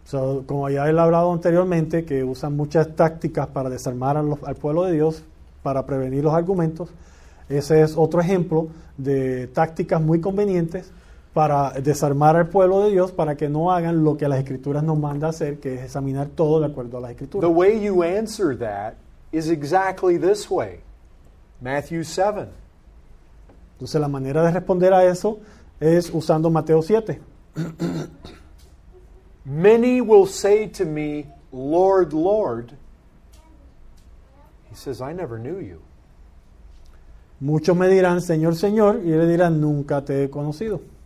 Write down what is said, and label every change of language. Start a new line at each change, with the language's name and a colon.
Spanish: So, como ya he hablado anteriormente, que usan muchas tácticas para desarmar al pueblo de Dios, para prevenir los argumentos, ese es otro ejemplo de tácticas muy convenientes para desarmar al pueblo de Dios para que no hagan lo que las Escrituras nos manda hacer, que es examinar todo de acuerdo a las Escrituras.
English: The way you answer that is exactly this way. Matthew 7.
Spanish: Entonces la manera de responder a eso es usando Mateo 7.
English: Many will say to me, Lord, Lord. He says, I never knew you.
Spanish: Muchos me dirán, Señor, Señor, y le dirán, nunca te he conocido.